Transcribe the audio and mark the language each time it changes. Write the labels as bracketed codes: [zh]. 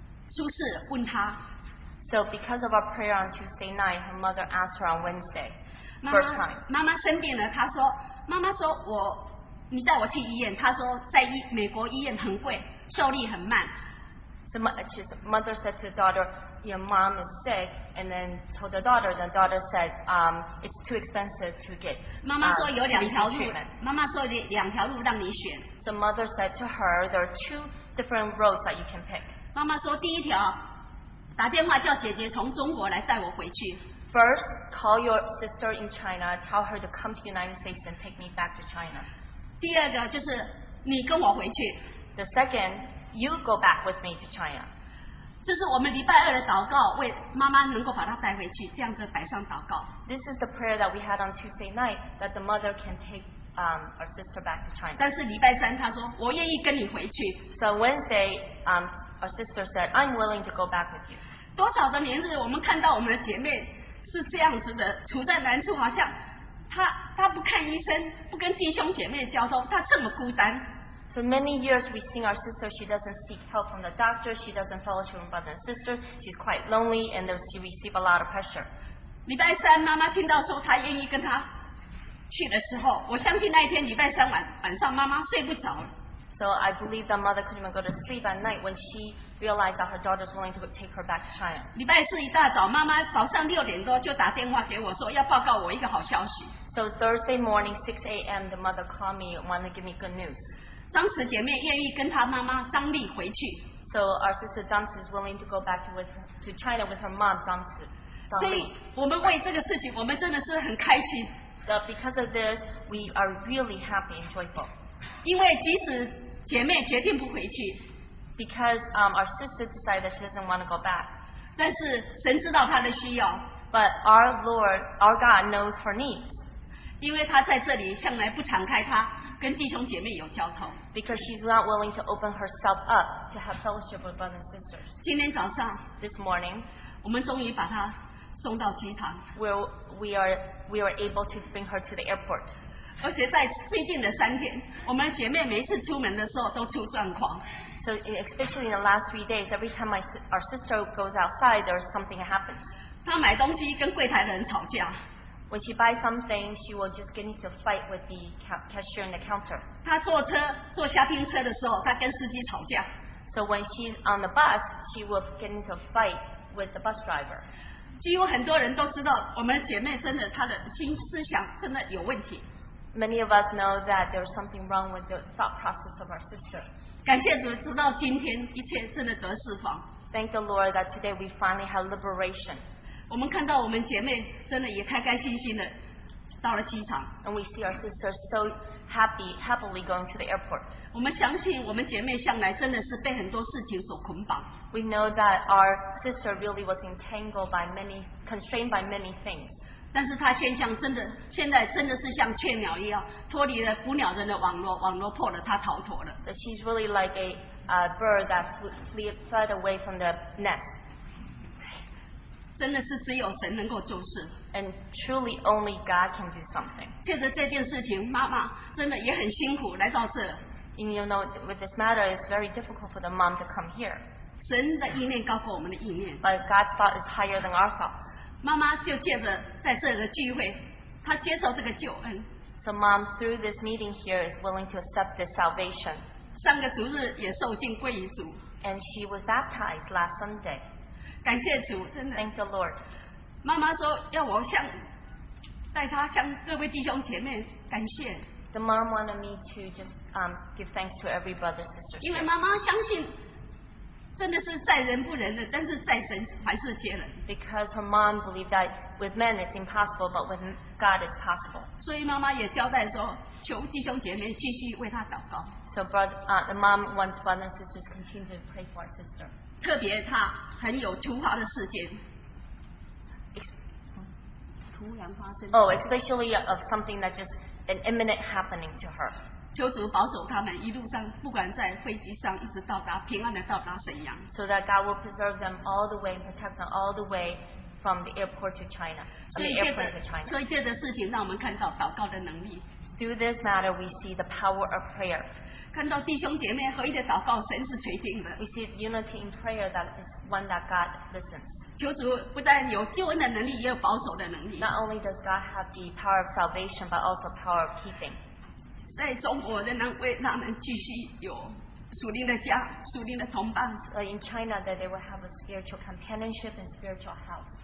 [en] So because of our prayer on Tuesday night, her mother asked her on Wednesday, mother said to the daughter, your mom is sick, and then told the daughter said, it's too expensive to get treatment. The mother said to her, there are two different roads that you can pick. [zh] 妈妈说第一条，打电话叫姐姐从中国来带我回去。 [en] First, call your sister in China, tell her to come to the United States and take me back to China. [zh] 第二个就是你跟我回去。 [en] The second,You go back with me to China. [zh] 这是我们礼拜二的祷告，为妈妈能够把她带回去，这样子摆上祷告。 [en] This is the prayer that we had on Tuesday night that the mother can take our sister back to China. [zh] 但是礼拜三她说我愿意跟你回去。 [en] So Wednesday, our sister said, I'm willing to go back with you. [zh] 多少的年日，我们看到我们的姐妹是这样子的，处在难处，好像她不看医生，不跟弟兄姐妹交通，她这么孤单。 [en] So many years we've seen our sister, she doesn't seek help from the doctor, she doesn't follow her brother and sister, she's quite lonely, and she receives a lot of pressure. [zh] 礼拜三妈妈听到说她愿意跟她去的时候，我相信那一天礼拜三晚上妈妈睡不着。 [en] So I believe the mother couldn't even go to sleep at night when she realized that her daughter's willing to take her back to China. [zh] 礼拜四一大早，妈妈早上六点多就打电话给我说要报告我一个好消息。 [en] So Thursday morning, 6 a.m, the mother called me and wanted to give me good news. [zh] 张慈姐妹愿意跟她妈妈张丽回去。 [en] So our sister Zhang Si is willing to go back to China with her mom Zhang Si. [zh] 所以我们为这个事情，我们真的是很开心。 [en] So because of this, we are really happy and joyful. [zh] 因为即使姐妹决定不回去 [en] ，because our sister decided that she doesn't want to go back. [zh] 但是神知道她的需要。 [en] But our Lord, our God knows her needs. [zh] 因为她在这里向来不敞开她。跟弟兄姐妹有交通 [en] ，because she's not willing to open herself up to have fellowship with brothers and sisters. [zh] 今天早上 [en] ，this morning， [zh] 我们终于把她送到机场 [en] ，we were able to bring her to the airport. [zh] 而且在最近的三天，我们姐妹每次出门的时候都出状况。 [en] So especially in the last 3 days, every time our sister goes outside, there's something happens. [zh] 她买东西跟柜台的人吵架。 [en] When she buys something, she will just get into a fight with the cashier in the counter. [zh] 她坐车坐下宾车的时候，她跟司机吵架。 [en] So when she's on the bus, she will get into a fight with the bus driver. [zh] 几乎很多人都知道，我们姐妹真的她的心思想真的有问题。 [en] Many of us know that there's something wrong with the thought process of our sister. [zh] 感谢主，直到今天一切真的得释放。 [en] Thank the Lord that today we finally have liberation. [zh] 我们看到我们姐妹真的也开开心心的到了机场。 [en] And we see our sister so happy, happily going to the airport. [zh] 我们相信我们姐妹向来真的是被很多事情所捆绑。 [en] We know that our sister really was entangled by many, constrained by many things. [zh] 但是她现象真的，现在真的是像雀鸟一样，脱离了捕鸟人的网络，网络破了，她逃脱了。 [en] But she's really like a bird that fled away from the nest. [zh] 真的是只有神能够做事。 [en] And truly only God can do something. [zh] 借着这件事情，妈妈真的也很辛苦来到这。 [en] And you know, with this matter, it's very difficult for the mom to come here. [zh] 神的意念高过我们的意念。 [en] But God's thought is higher than our thoughts. [zh] 妈妈就借着在这个聚会，她接受这个救恩。 [en] So mom, through this meeting here, is willing to accept this salvation. [zh] 上个主日也受浸归于主。 [en] And she was baptized last Sunday. [zh] 感谢主，真的。 [en] Thank the Lord。 [zh] 妈妈说要我向带她向各位弟兄姐妹感谢。 [en] The mom wanted me to just give thanks to every brother sister. [zh] 因为妈妈相信，真的是在人不人的，但是在神还是接人。 [en] Because her mom believed that with men it's impossible, but with God it's possible. [zh] 所以妈妈也交代说，求弟兄姐妹继续为她祷告。 [en] So brother, the mom wants brothers and sisters to continue to pray for our sister. [zh] 特别他很有突发的事件，突然发生。 [en] Oh, especially of something that just an imminent happening to her. [zh] 求主保守他们一路上，不管在飞机上，一直到达平安的到达沈阳。 [en] So that God will preserve them all the way, protect them all the way from the airport to China. [zh] 所以借着事情，让我们看到祷告的能力。 [en] Through this matter, we see the power of prayer. [zh] 看到弟兄姐妹合一的祷告，神是垂听的。 [en] We see the unity in prayer that is one that God listens. [zh] 求主不但有救恩的能力，也有保守的能力。 [en] Not only does God have the power of salvation, but also power of keeping. [zh] 在中国仍然为他们继续有属灵的家、属灵的同伴。 [en] In China, that they will have a spiritual companionship and spiritual house.